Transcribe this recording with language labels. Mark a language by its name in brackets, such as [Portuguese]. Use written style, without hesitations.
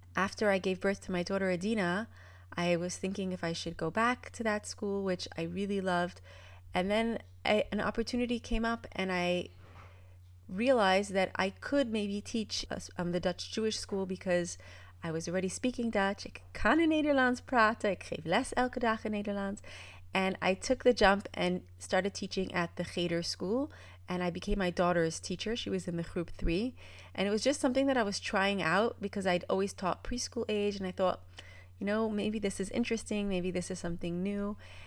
[English] After I gave birth to my daughter, Adina, I was thinking if I should go back to that school, which I really loved. And then an opportunity came up, and I realized that I could maybe teach the Dutch Jewish school because I was already speaking Dutch. [Dutch] Ik kan in Nederlands praten. Ik geef les elke dag in Nederlands. [English] And I took the jump and started teaching at the Geder school. And I became my daughter's teacher. She was in the group 3. And it was just something that I was trying out because I'd always taught preschool age. And I thought, you know, maybe this is interesting. Maybe this is something new.